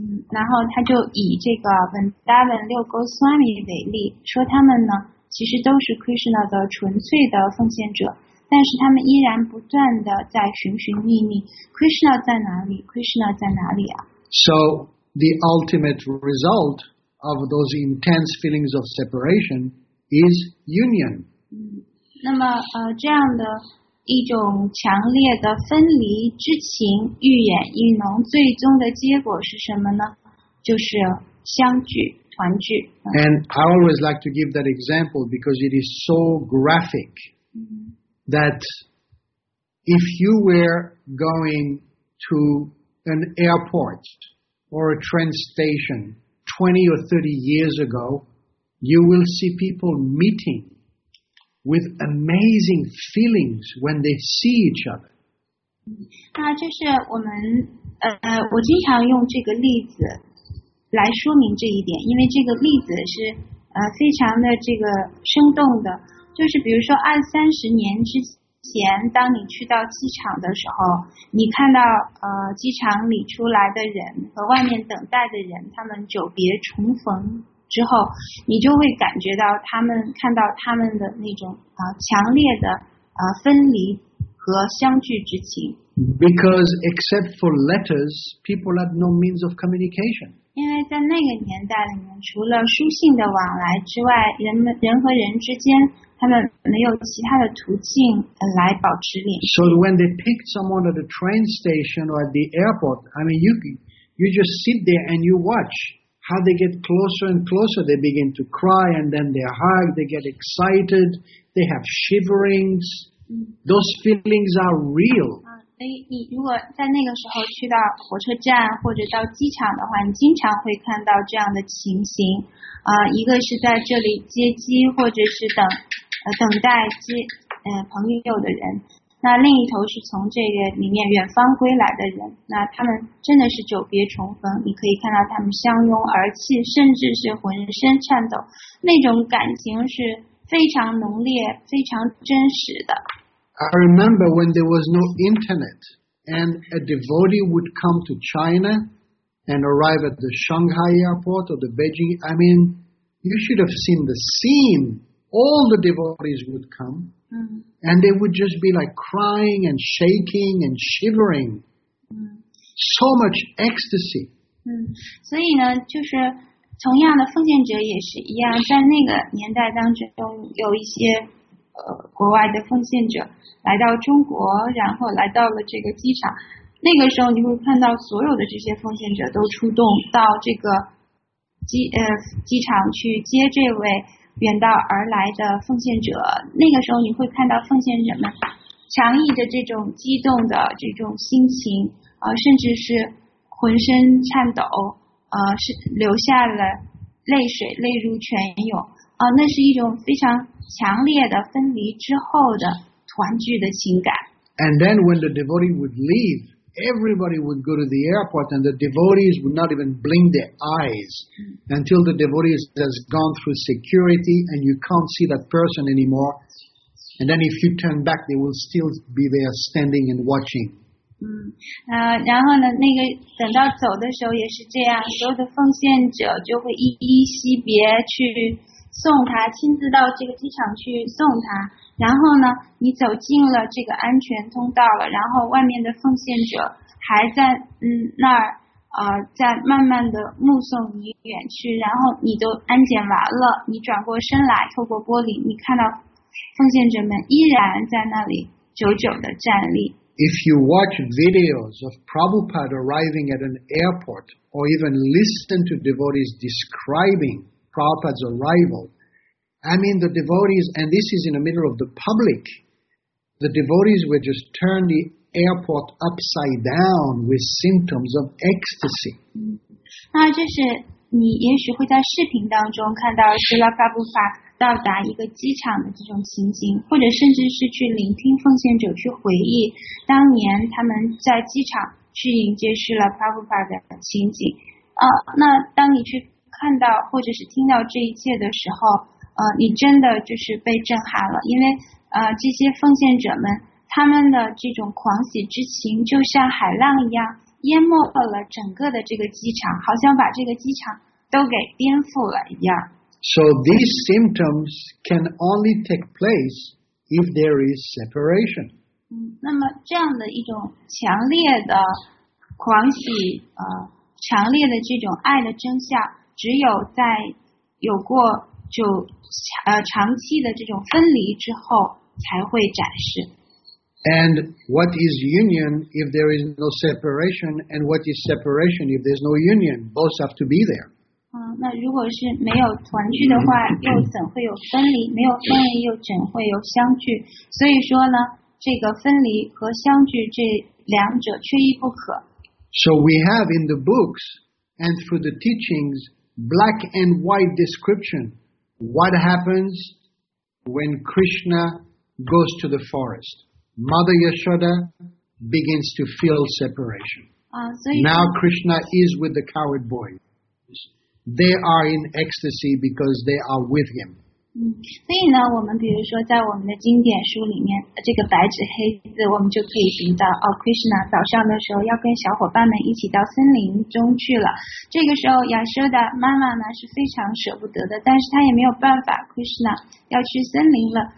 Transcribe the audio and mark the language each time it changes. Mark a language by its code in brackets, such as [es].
[zh] 然后他就以这个 Vrindavan 六 Goswami 为例，说他们呢，其实都是 Krishna 的纯粹的奉献者，但是他们依然不断的在寻寻觅觅 ，Krishna 在哪里 ？Krishna 在哪里啊 [en] ？So the ultimate result of those intense feelings of separation is union. [zh] 那么这样的一种强烈的分离之情愈演愈浓，最终的结果是什么呢？就是相聚团聚。 [en] And I always like to give that example because it is so graphic that if you were going to an airport or a train station 20 or 30 years ago, you will see people meeting with amazing feelings when they see each other. [zh] 那就是我们我经常用这个例子来说明这一点，因为这个例子是非常的这个生动的。就是比如说二三十年之前，当你去到机场的时候，你看到机场里出来的人和外面等待的人，他们久别重逢之后，你就会感觉到他们看到他们的那种强烈的分离和相聚之情。 [en] Because except for letters, people had no means of communication. [zh] 因为在那个年代里面，除了书信的往来之外，人和人之间他们没有其他的途径来保持联系。 [en] So when they pick someone at a train station or at the airport, I mean, you just sit there and you watch how they get closer and closer. They begin to cry and then they hug. They get excited. They have shiverings. Those feelings are real. [zh] 所以你如果在那个时候去到火车站或者到机场的话，你经常会看到这样的情形。一个是在这里接机或者是等待朋友的人，那另一头是从这个里面远方归来的人，那他们真的是久别重逢，你可以看到他们相拥而泣，甚至是浑身颤抖，那种感情是非常浓烈非常真实的。 [en] I remember when there was no internet and a devotee would come to China and arrive at the Shanghai airport or the Beijing, I mean, you should have seen the scene. All the devotees would come, and they would just be like crying and shaking and shivering. So much ecstasy. [zh] 所以呢，就是同样的奉献者也是一样，在那个年代当中，有一些国外的奉献者来到中国，然后来到了这个机场。那个时候你会看到所有的这些奉献者都出动到这个机场去接这位远道而来的奉献者。那个时候你会看到奉献者们强硬的这种激动的这种心情甚至是浑身颤抖是流下了泪水，泪如泉涌那是一种非常强烈的分离之后的团聚的情感。 [en] And then when the devotee would leaveEverybody would go to the airport, and the devotees would not even blink their eyes until the devotee has gone through security, and you can't see that person anymore. And then, if you turn back, they will still be there, standing and watching. [zh] 然后呢，那个等到走的时候也是这样，所有的奉献者就会依依惜别去送他，亲自到这个机场去送他。然后呢，你走进了这个安全通道了，然后外面的奉献者还在那儿在慢慢的目送你远去，然后你都安检完了，你转过身来，透过玻璃，你看到奉献者们依然在那里久久的站立。 [en] If you watch videos of Prabhupada arriving at an airport, or even listen to devotees describing Prabhupada's arrival, I mean the devotees, and this is in the middle of the public, the devotees would just turn the airport upside down with symptoms of ecstasy. [zh] 那就是你也许会在视频当中看到释迦牟尼佛到达一个机场的这种情形，或者甚至是去聆听奉献者去回忆当年他们在机场去迎接释迦牟尼佛的情景。那当你去看到或者是听到这一切的时候，你真的就是被震撼了，因为这些奉献者们他们的这种狂喜之情就像海浪一样淹没了整个的这个机场，好像把这个机场都给颠覆了一样。 [en] So these symptoms can only take place if there is separation. [zh] 那么这样的一种强烈的狂喜强烈的这种爱的真相，只有在有过就长期的这种分离之后才会展示。 [en] And what is union if there is no separation? And what is separation if there's no union? Both have to be there. [zh] 那如果是没有团聚的话，又怎会有分离？没有分离，又怎会有相聚？所以说呢，这个分离和相聚这两者缺一不可。 [en] So we have in the books and through the teachings black and white description what happens when Krishna goes to the forest. Mother Yashoda begins to feel separation. Now Krishna is with the coward boy. They are in ecstasy because they are with him. [zh] 所以呢，我们比如说在我们的经典书里面，这个白纸黑字，我们就可以寻找哦 ，Krishna 早上的时候要跟小伙伴们一起到森林中去了。这个时候 ，Yashoda 妈妈呢是非常舍不得的，但是她也没有办法 ，Krishna 要去森林了。